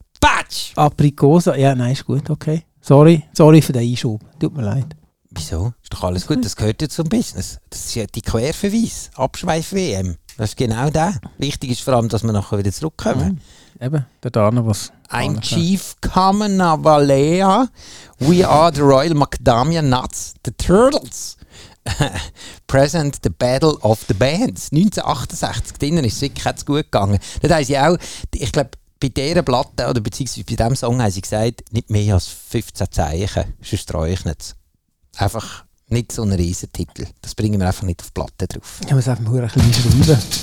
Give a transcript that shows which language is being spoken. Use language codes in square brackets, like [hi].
[de] Patsch! Aprikose? Ja, nein, ist gut, okay. Sorry für den Einschub. Tut mir leid. Wieso? Ist doch alles gut, das gehört ja zum Business. Das ist ja die Querverweis. Abschweif-WM. Das ist genau das. Wichtig ist vor allem, dass wir nachher wieder zurückkommen. Ja, eben, der Dana, was. [en] I'm Chief Kamenavalea. We are the Royal Macadamia Nuts, the Turtles. Present the Battle of the Bands. [de] 1968, denen ist es wirklich gut gegangen. Das heisst ja auch, ich glaube, bei dieser Platte oder beziehungsweise bei diesem Song haben sie gesagt, nicht mehr als 15 Zeichen, sonst traue ich nicht. Einfach nicht so ein riesen Titel. Das bringen wir einfach nicht auf die Platte drauf. Ich muss einfach nur ein bisschen schreiben.